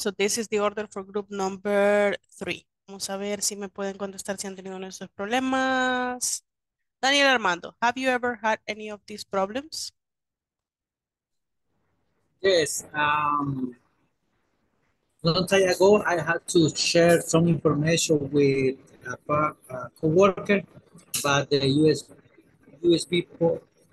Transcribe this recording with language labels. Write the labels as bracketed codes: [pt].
[en] So this is the order for group number 3. [es] Vamos a ver si me pueden contestar si han tenido nuestros problemas. [en] Daniel Armando, have you ever had any of these problems? Yes. Long time ago, I had to share some information with a co-worker, but the USB port